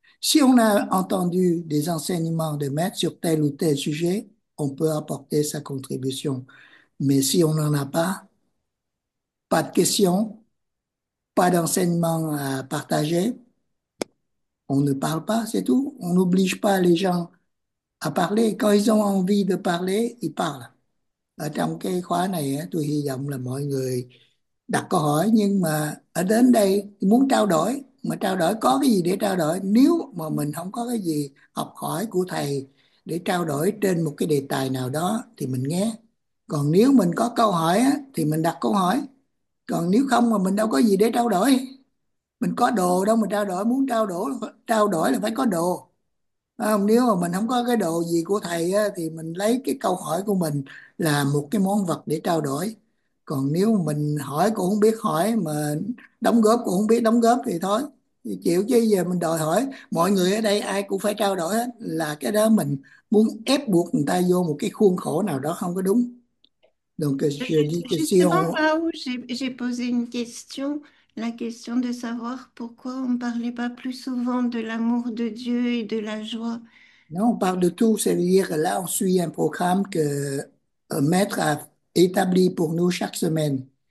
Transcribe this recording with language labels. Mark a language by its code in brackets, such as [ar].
[fr] Si on a entendu des enseignements de maître sur tel ou tel sujet, on peut apporter sa contribution. Mais si on n'en a pas de questions, pas d'enseignement à partager, on ne parle pas, c'est tout. On n'oblige pas les gens à parler. Quand ils ont envie de parler, ils parlent. [vi] Ở trong cái khóa này, tôi hy vọng là mọi người đặt câu hỏi, nhưng mà ở đến đây muốn trao đổi, mà trao đổi có cái gì để trao đổi? Nếu mà mình không có cái gì học hỏi của thầy để trao đổi trên một cái đề tài nào đó thì mình nghe. Còn nếu mình có câu hỏi thì mình đặt câu hỏi. Còn nếu không mà mình đâu có gì để trao đổi. Mình có đồ đâu mà trao đổi, muốn trao đổi là phải có đồ. Không, nếu mà mình không có cái đồ gì của thầy á, thì mình lấy cái câu hỏi của mình là một cái món vật để trao đổi. Còn nếu mình hỏi cũng không biết hỏi, mà đóng góp cũng không biết đóng góp thì thôi, thì chịu. Chứ giờ mình đòi hỏi mọi người ở đây ai cũng phải trao đổi hết, là cái đó mình muốn ép buộc người ta vô một cái khuôn khổ nào đó không có đúng. [fr] Donc je dis que si Justement, on... là où j'ai posé une question, la question de savoir pourquoi on ne parlait pas plus souvent de l'amour de Dieu et de la joie. Non, on parle de tout, c'est-à-dire que là, on suit un programme que Maître a établi pour nous chaque semaine.